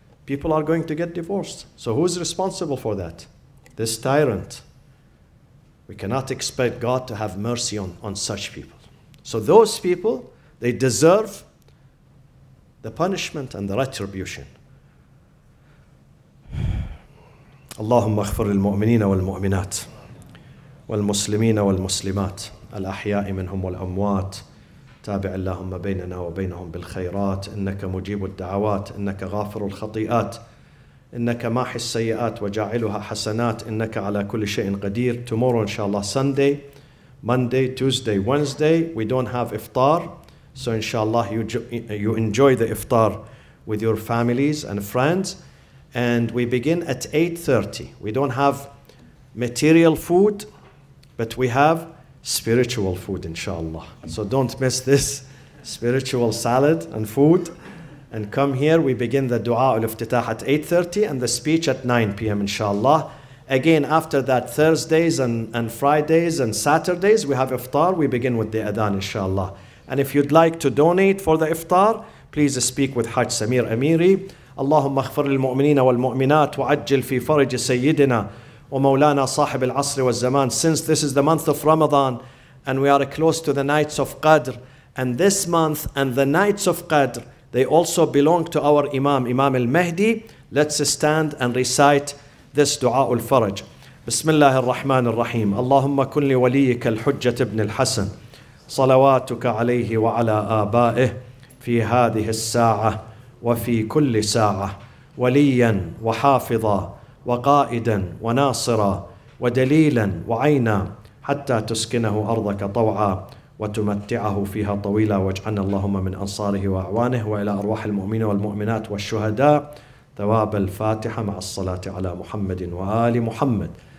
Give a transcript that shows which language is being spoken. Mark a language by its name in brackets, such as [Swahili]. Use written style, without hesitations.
[English] People are going to get divorced. So who is responsible for that? This tyrant. We cannot expect God to have mercy on such people. So those people, they deserve the punishment and the retribution. [Arabic] اللهم اغفر للمؤمنين والمؤمنات والمسلمين والمسلمات الأحياء منهم والأموات تابع اللهم بيننا وبينهم بالخيرات إنك مجيب الدعوات إنك غافر الخطيئات إنك ماحي السيئات وجاعلها حسنات إنك على كل شيء قدير [English] Tomorrow inshallah Sunday, Monday, Tuesday, Wednesday we don't have iftar so inshallah you enjoy the iftar with your families and friends And we begin at 8:30. We don't have material food, but we have spiritual food, inshallah. So don't miss this spiritual salad and food. And come here. We begin the dua al-iftitah at 8:30 and the speech at 9 p.m., inshallah. Again, after that, Thursdays and Fridays and Saturdays, we have iftar. We begin with the adhan, inshallah. And if you'd like to donate for the iftar, please speak with Haj Samir Amiri. [Arabic] اللهم اغفر للمؤمنين والمؤمنات وعجل في فرج سيدنا ومولانا صاحب العصر والزمان [English] Since this is the month of Ramadan and we are close to the nights of Qadr and this month and the nights of Qadr they also belong to our Imam, Imam al-Mahdi Let's stand and recite this dua al-faraj [Arabic] بسم الله الرحمن الرحيم اللهم كن لوليك الحجة ابن الحسن صلواتك عليه وعلى آبائه في هذه الساعة وفي كل ساعة وليا وحافظا وقائدا وناصرا ودليلا وعينا حتى تسكنه أرضك طوعا وتمتعه فيها طويلا واجعلنا اللهم من أنصاره وأعوانه وإلى أرواح المؤمنين والمؤمنات والشهداء ثواب الفاتحة مع الصلاة على محمد وآل محمد.